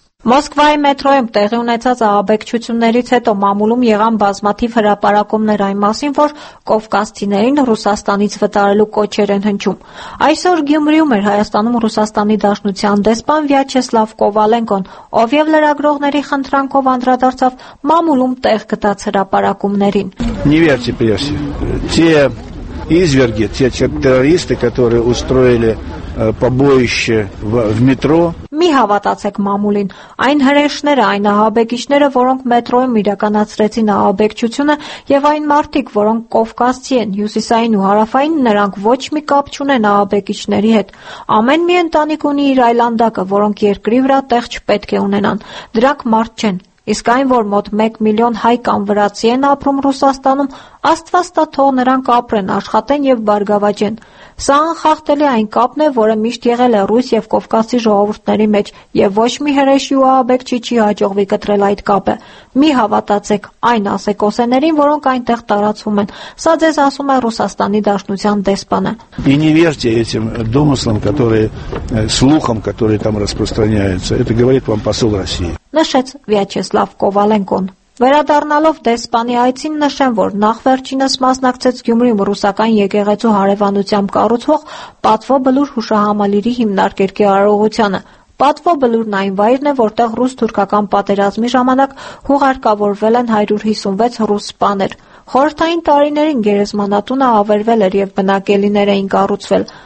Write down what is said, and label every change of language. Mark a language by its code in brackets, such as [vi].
[hy] Մոսկվայի մետրոյում տեղի ունեցած ահաբեկչություններից հետո մամուլում եղան բազմաթիվ հրապարակումներ այն մասին, որ կովկասցիներին Ռուսաստանից վտարելու կոչեր են հնչում։ Այսօր Գյումրիում էր Հայաստանում Ռուսաստանի Դաշնության դեսպան Վյաչեսլավ Կովալենկոն, ով եւ լրագրողների խնդրանքով անդրադարձավ մամուլում տեղ գտած հրապարակումներին։ Նիվերտի պրեսի։ [ru] Те изверги, те террористы, которые устроили побоище в метро. [hy] Մի հավատացեք մամուլին, այն հրեշները, այն ահաբեկիչները, որոնք մետրոյում իրականացրեցին ահաբեկչությունը, եւ այն մարդիկ, որոնք կովկասցի են, հյուսիսային ու հարավային, նրանք ոչ մի կապ չունեն ահաբեկիչների հետ։ Ամեն մի ընտանիք ունի իր այլանդակը, որոնք երկրի վրա տեղ չպետք է ունենան։ Դրանք մարդ չեն, իսկ այն, որ մոտ 1 միլիոն հայ կամ վրացի են ապրում Ռուսաստանում, աստվածա թող նրանք ապրեն, աշխատեն եւ բարգավաճեն։ Սա անխախտելի այն կապն է, որը միշտ եղել է Ռուս և Կովկասի ժողովուրդների մեջ, և ոչ մի հրեշի ու ահաբեկչի չի հաջողվի կտրել այդ կապը։ Մի հավատացեք, այն ասեք օսեներին, որոնք այնտեղ տարածվում են։ Սա ձեզ ասում է Ռուսաստանի Դաշնության դեսպանը։ [ru] Не верьте этим домыслам, которые слухам, которые там распространяются. Это говорит вам посол России. [hy] Նշեց Վյաչեսլավ Կովալենկոն։ Վերադառնալով դեսպանի այցին, նշեմ, որ նախվերջինս մասնակցեց Գյումրիում ռուսական եկեղեցու հարևանությամբ կառուցվող Պատվո բլուր հուշահամալիրի հիմնարկերքի արարողությանը։ Պատվո բլուրն այն վայրն է, որտեղ ռուս-թուրքական պատերազմի ժամանակ հուղարկավորվել են 156 ռուս սպաներ։ Խորհրդային տարիներին գերեզմանատունը ավերվել էր և բնակելիներ էին կառուցվել։